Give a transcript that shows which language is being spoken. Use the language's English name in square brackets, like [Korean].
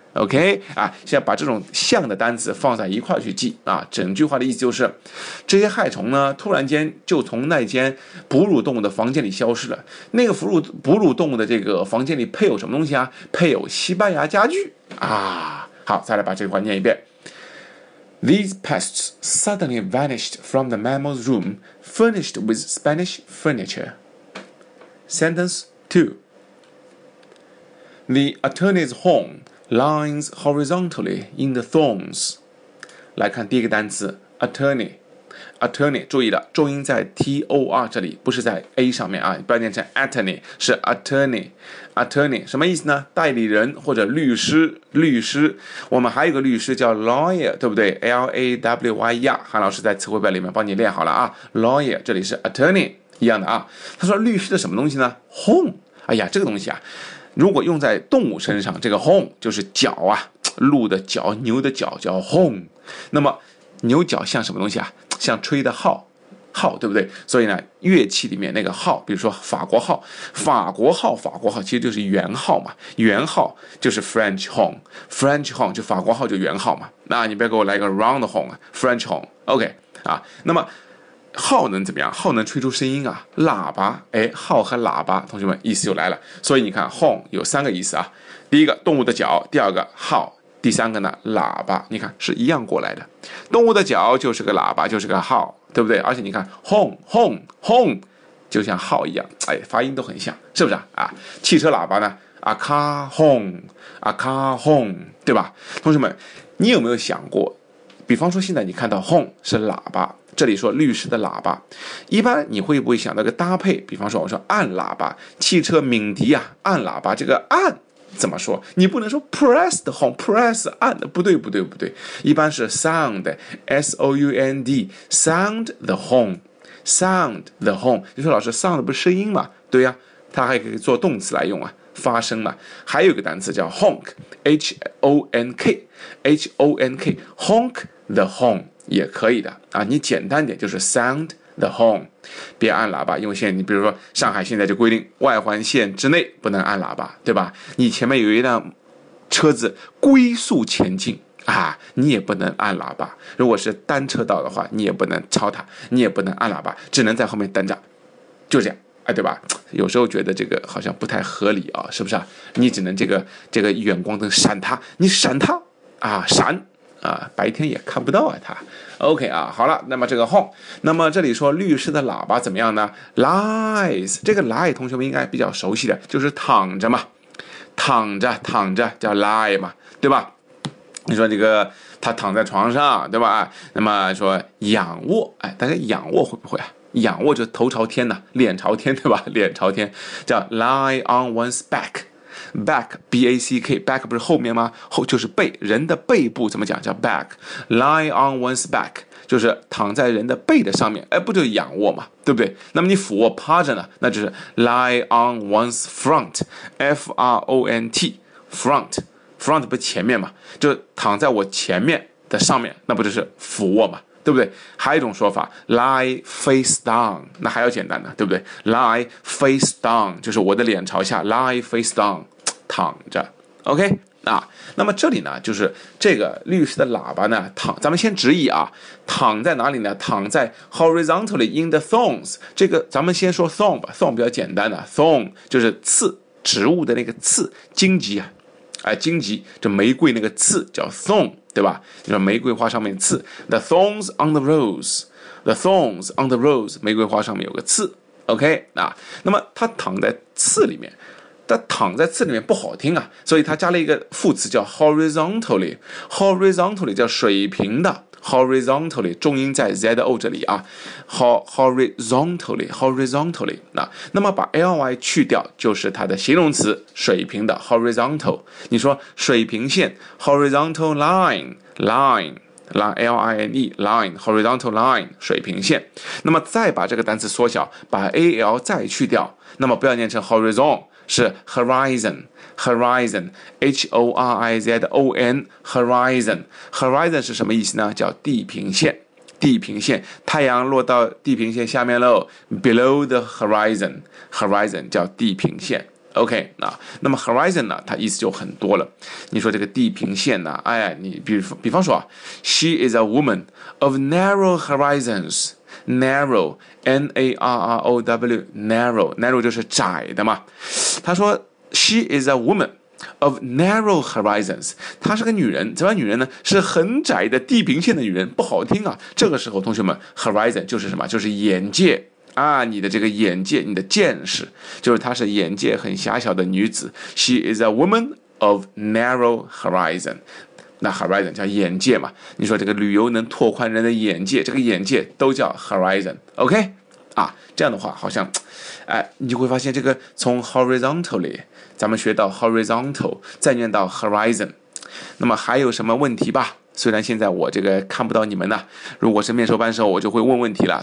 [Chinese] OK 啊，现在把这种像的单词放在一块去记啊。整句话的意思就是，这些害虫呢突然间就从那间哺乳动物的房间里消失了。那个哺乳动物的这个房间里配有什么东西啊？配有西班牙家具啊。好，再来把这句话念一遍。 [English] These pests suddenly vanished from the mammal's room furnished with Spanish furniture. Sentence 2. The attorney's homeLines horizontally in the thorns. [Chinese] 来看第一个单词 attorney, 注意了，重音在 T-O-R 这里，不是在 A 上面啊，不要念成 attorney， 是 attorney, 什么意思呢？代理人或者律师。我们还有个律师叫 lawyer， 对不对？ L-A-W-Y-E-R， 韩老师在词汇表里面帮你练好了啊。 lawyer 这里是 attorney 一样的啊。他说律师的什么东西呢？ home， 哎呀，这个东西啊，如果用在动物身上，这个 home 就是脚啊，鹿的脚，牛的脚叫 home。 那么牛角像什么东西啊？像吹的号，号，对不对？所以呢，乐器里面那个号，比如说法国号，法国号，法国号其实就是圆号嘛，圆号就是 French horn， French horn 就法国号就圆号嘛。那你别给我来个 [English] round horn， [Chinese] French horn， OK 啊。那么号能怎么样？号能吹出声音啊，喇叭，哎，号和喇叭，同学们意思就来了。所以你看 horn 有三个意思啊，第一个动物的角，第二个号，第三个呢喇叭，你看是一样过来的，动物的角就是个喇叭，就是个号，对不对？而且你看 轰轰轰， 就像号一样，哎，发音都很像，是不是 啊汽车喇叭呢，啊咔轰，啊咔轰，对吧？同学们，你有没有想过，比方说现在你看到轰是喇叭，这里说律师的喇叭，一般你会不会想到个搭配？比方说我说按喇叭，汽车鸣笛啊，按喇叭，这个按怎么说？你不能说 [English] press the horn， [Chinese] press 按的，不对不对不对，一般是 sound， S O U N D， [English] sound the horn， sound the horn。 [Chinese] 你说老师 sound 不是声音吗？对呀、啊、它还可以做动词来用啊，发声嘛。 [English] 还有一个单词叫 honk， H O N K， H O N K， honk the horn 也可以的啊。 [Chinese] 你简单点就是 [English] sound the horn， [Chinese] 别按喇叭。因为现在你比如说上海现在就规定外环线之内不能按喇叭，对吧？你前面有一辆车子龟速前进啊，你也不能按喇叭。如果是单车道的话，你也不能超它，你也不能按喇叭，只能在后面等着，就这样，哎，对吧？有时候觉得这个好像不太合理啊，是不是啊？你只能这个远光灯闪它，你闪它啊，闪啊，白天也看不到啊，他 OK 啊。好了，那么这个 horn， 那么这里说律师的喇叭怎么样呢？ lies， 这个 lie 同学们应该比较熟悉的，就是躺着嘛，躺着躺着叫 lie 嘛，对吧？你说这个他躺在床上，对吧？那么说仰卧，哎，大家仰卧会不会啊？仰卧就头朝天呢，脸朝天，对吧？脸朝天叫 [English] lie on one's back。 [Chinese] Back, B-A-C-K, back 不是后面吗？后就是背，人的背部怎么讲？叫 back, [English] lie on one's back， [Chinese] 就是躺在人的背的上面，哎，不就是仰卧嘛，对不对？那么你俯卧趴着呢，那就是 [English] lie on one's front, [Chinese] F-R-O-N-T, front, front 不是前面嘛，就是躺在我前面的上面，那不就是俯卧嘛，对不对？还有一种说法 [English] lie face down， [Chinese] 那还要简单呢，对不对？ [English] lie face down [Chinese] 就是我的脸朝下， lie face down 躺着， OK 啊。那么这里呢，就是这个律师的喇叭呢，躺，咱们先直译啊，躺在哪里呢？躺在 [English] horizontally in the thorns， [Chinese] 这个咱们先说 thorn 吧， thorn 比较简单的， thorn 就是刺，植物的那个刺，荆棘啊，荆棘，这玫瑰那个刺叫 thorn，对吧？就是玫瑰花上面刺 [English] ，the thorns on the rose， the thorns on the rose， [Chinese] 玫瑰花上面有个刺 [English] ，OK 啊。 [Chinese] 那么它躺在刺里面，它躺在刺里面不好听啊，所以它加了一个副词叫 horizontally， horizontally 叫水平的 ，horizontally 重音在 z o 这里啊 ，horizontally horizontally 啊。那么把 ly 去掉就是它的形容词，水平的 horizontal。你说水平线 [English] horizontal line line line horizontal line [Chinese] 水平线。那么再把这个单词缩小，把 al 再去掉，那么不要念成 horizon。 [English] 是 horizon， horizon， h o r i z o n， horizon， horizon [Chinese] 是什么意思呢？叫地平线，地平线，太阳落到地平线下面喽， [English] below the horizon， [Chinese] horizon 叫地平线， OK 啊。那么 horizon 呢，它意思就很多了。你说这个地平线呢，哎，你比方说啊， [English] she is a woman of narrow horizons。 Narrow, N-A-R-R-O-W, narrow, narrow [Chinese] 就是窄的嘛。他说 [English] ，She is a woman of narrow horizons. [Chinese] 她是个女人，怎么女人呢？是很窄的地平线的女人，不好听啊。这个时候，同学们 ，horizon 就是什么？就是眼界啊，你的这个眼界，你的见识，就是她是眼界很狭小的女子。 [English] She is a woman of narrow horizon. [Chinese] 那 horizon 叫眼界嘛，你说这个旅游能拓宽人的眼界，这个眼界都叫 horizon， OK 啊。这样的话好像，哎，你就会发现这个从 horizontally 咱们学到 horizontal 再念到 horizon。那么还有什么问题吧？虽然现在我这个看不到你们呢，如果是面授班时候我就会问问题了。